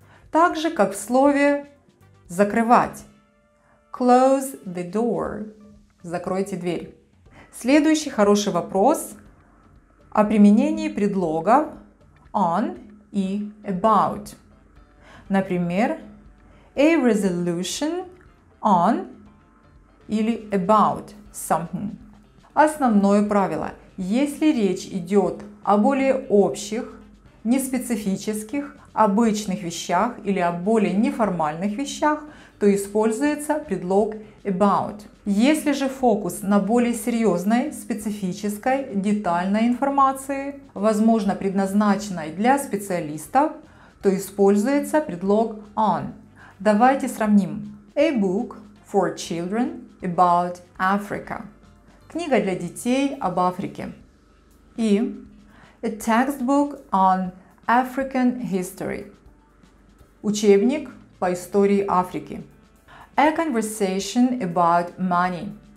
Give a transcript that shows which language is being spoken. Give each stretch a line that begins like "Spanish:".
Russian: Так же, как в слове «закрывать».
English: Close the door.
Russian: Закройте дверь. Следующий хороший вопрос о применении предлогов on и about.
English: Например, a resolution on или about something.
Russian: Основное правило. Если речь идет о более общих, неспецифических, обычных вещах или о более неформальных вещах, то используется предлог about. Если же фокус на более серьезной, специфической, детальной информации, возможно, предназначенной для специалистов, то используется предлог on. Давайте сравним.
English: A book for children about Africa.
Russian: Книга для детей об Африке.
English: И a textbook on African history.
Russian: Учебник по истории Африки.
English: A conversation about money.